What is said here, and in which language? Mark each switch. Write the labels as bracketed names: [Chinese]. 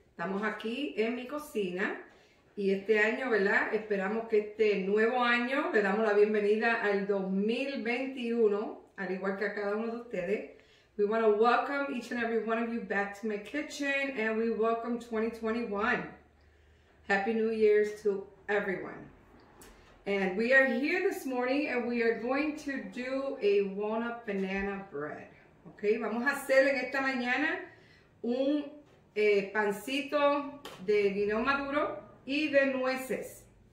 [Spanish] Estamos aquí en mi cocina y este año, ¿verdad? Esperamos que este nuevo año le damos la bienvenida al 2021, al igual que a cada uno de ustedes. [English] We want to welcome each and every one of you back to my kitchen and we welcome 2021. Happy New Year's to everyone. And we are here this morning and we are going to do a walnut banana bread. [Spanish] Okay, vamos a hacer en esta mañana un pancito de guineo maduro y de nueces.